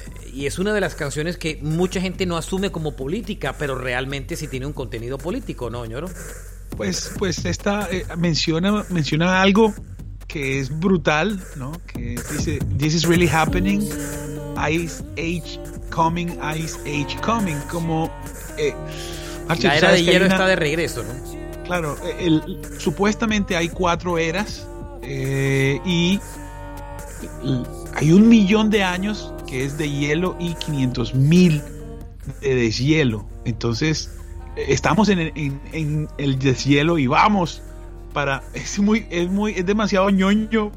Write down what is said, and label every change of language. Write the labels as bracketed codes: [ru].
[es] Y es una de las canciones que mucha gente no asume como política, pero realmente sí tiene un contenido político, ¿no, Ñoro? Pues esta menciona algo que es brutal, ¿no? Que dice, [en] this is really happening, ice age coming, ice age coming. [es] Como Marcia, la era de hielo está de regreso, ¿no? Claro, supuestamente hay cuatro eras y hay 1 millón de años que es de hielo y 500,000 de deshielo. Entonces estamos en el deshielo y vamos para es demasiado ñoño.